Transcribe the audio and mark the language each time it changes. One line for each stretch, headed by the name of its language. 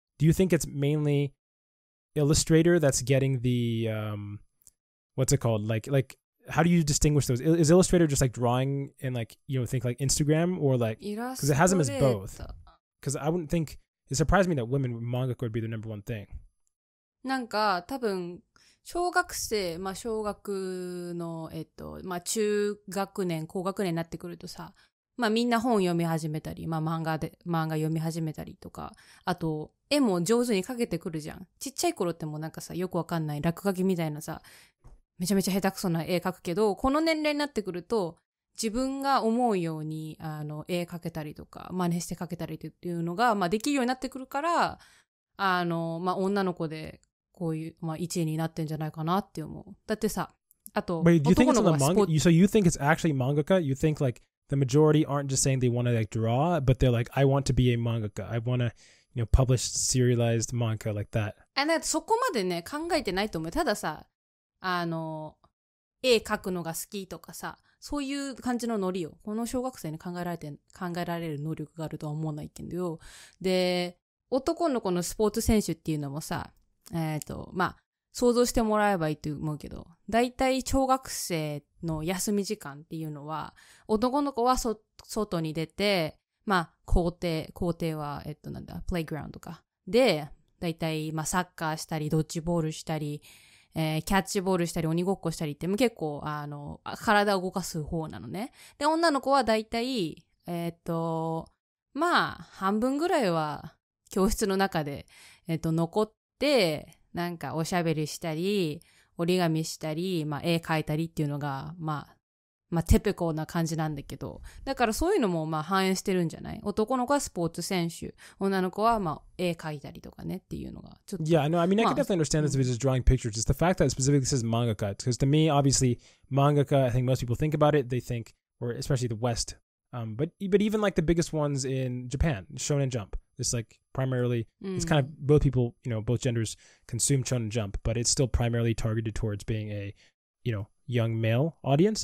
English: Do you think it's mainly illustrator that's getting the, what's it called? Like, how do you distinguish those? Is illustrator just like drawing and like, you know, think like Instagram or like, because it has them as both. Because I wouldn't think... It surprised me that women with manga could be the number one thing.
Japanese: なんか多分小学生、まあ小学の、まあ中学年、高学年になってくるとさ、まあみんな本読み始めたり、まあ漫画読み始めたりとか、あと絵も上手に描けてくるじゃん。ちっちゃい頃ってもなんかさ、よくわかんない落書きみたいなさ、めちゃめちゃ下手くそな絵描くけど、この年齢になってくると、自分が思うように絵描けたりとか真似して描けたりっていうのが、まあ、できるようになってくるからまあ、女の子でこういう、まあ、1位になってんじゃないかなって思う。だってさ、あと
English: Wait,
Japanese: 男の子がスポーツ
English: you, So you think it's actually mangaka? You think like the majority aren't just saying they want to like draw but they're like I want to be a mangaka. I want to you know, publish serialized manga like that. And that,
Japanese: そこまでね考えてないと思う。たださ絵描くのが好きとかさそういう感じのノリをこの小学生に考えられる能力があるとは思わないけど、で、男の子のスポーツ選手っていうのもさ、まあ、想像してもらえばいいと思うけど、だいたい小学生の休み時間っていうのは、男の子は外に出て、まあ、校庭は、なんだ、プレイグラウンドか。で、だいたい、まあ、サッカーしたり、ドッジボールしたり、キャッチボールしたり、鬼ごっこしたりって、結構、体を動かす方なのね。で、女の子はだいたい、まあ、半分ぐらいは、教室の中で、残って、なんか、おしゃべりしたり、折り紙したり、まあ、絵描いたりっていうのが、まあ、テペコな感じなんだけど、だからそういうのも、まあ、反映してるんじゃない？男の子はスポーツ選手、女の子は、まあ、絵描いたりとかねっていうのが、ちょっと。
English: Yeah, I know. I mean, I can definitely understand this if it's just drawing pictures. It's the fact that it specifically says mangaka. Because to me, obviously, mangaka, I think most people think about it, they think, or especially the West. But even like the biggest ones in Japan, Shonen Jump, it's like primarily, it's kind of both people, you know, both genders consume Shonen Jump, but it's still primarily targeted towards being a, you know, young male audience.